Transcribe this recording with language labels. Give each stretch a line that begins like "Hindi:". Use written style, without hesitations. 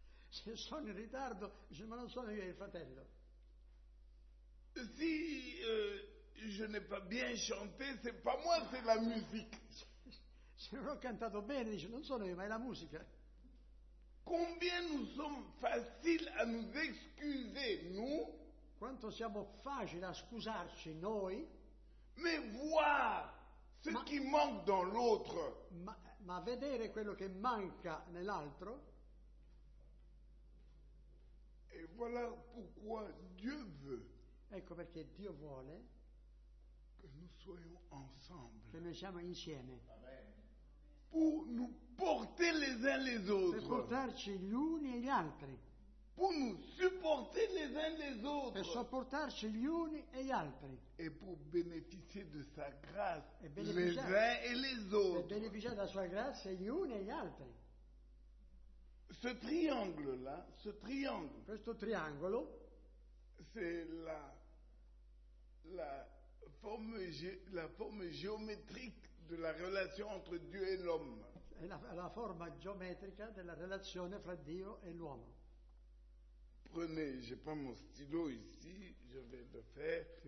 Italian: Se sono in ritardo, ma non sono io, il fratello.
French: Si je n'ai pas bien chanté, c'est pas moi, c'est la musique.
Italian: Se non ho cantato bene, dice, non sono io, ma è la musica.
French: Combien nous sommes faciles à nous excuser, nous?
Italian: Quanto siamo facili a scusarci noi?
French: Mais voir ce qui manque dans l'autre.
Italian: Ma vedere quello che manca nell'altro?
French: Et voilà pourquoi Dieu veut.
Italian: Ecco perché Dio vuole
French: que nous soyons ensemble.
Italian: Che noi siamo insieme. Amen.
French: Pour nous porter les uns les autres.
Italian: Per portarci gli uni e gli altri.
French: Pour nous supporter les uns les autres.
Italian: Per sopportarci gli uni e gli altri.
French: Et pour bénéficier de sa grâce les uns et les autres.
Italian: Per beneficiare della sua grazia gli uni e gli altri.
French: Ce triangle là, ce triangle.
Italian: Questo triangolo.
French: C'est la forme géométrique de la relation entre Dieu et l'homme.
Italian: È la forma geometrica della relazione fra Dio e l'uomo.
French: Prenez, j'ai pas mon stylo ici, je vais le faire.